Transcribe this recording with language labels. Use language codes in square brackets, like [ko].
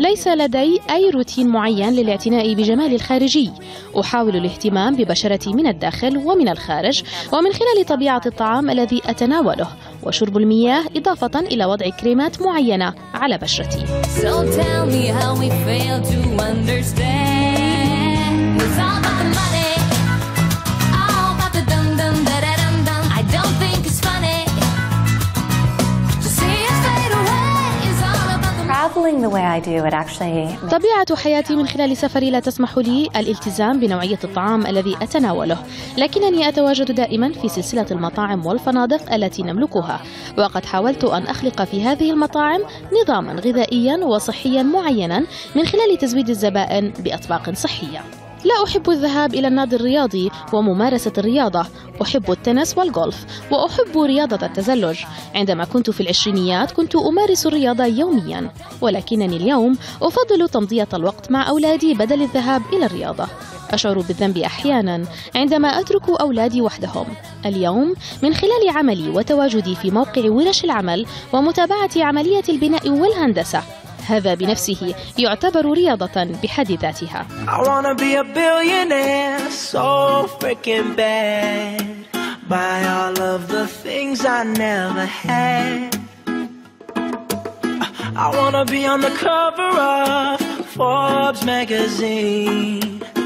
[ar] ليس لدي أي روتين معين للاعتناء بجمالي الخارجي. أحاول الاهتمام ببشرتي من الداخل ومن الخارج ومن خلال طبيعة الطعام الذي أتناوله وشرب المياه إضافة إلى وضع كريمات معينة على بشرتي. [en] So tell me how we fail to understand. It's all about the money. All about the dum dum da da dum dum. I don't think it's funny. To see us fade away is all about the traveling the way I do it actually. [ar] طبيعة حياتي من خلال سفري لا تسمح لي الالتزام بنوعية الطعام الذي أتناوله، لكنني أتواجد دائما في سلسلة المطاعم والفنادق التي نملكها، وقد حاولت أن أخلق في هذه المطاعم نظاما غذائيا وصحيا معينا من خلال تزويد الزبائن بأطباق صحية. لا أحب الذهاب إلى النادي الرياضي وممارسة الرياضة، أحب التنس والغولف وأحب رياضة التزلج. عندما كنت في العشرينيات كنت أمارس الرياضة يوميا، ولكنني اليوم أفضل تمضية الوقت مع أولادي بدل الذهاب إلى الرياضة. أشعر بالذنب أحيانا عندما أترك أولادي وحدهم. اليوم من خلال عملي وتواجدي في موقع ورش العمل ومتابعة عملية البناء والهندسة، هذا بنفسه يعتبر رياضة بحد ذاتها. [en] I wanna be a billionaire so freaking bad. Buy all of the things I never had. I wanna be on the cover of Forbes magazine.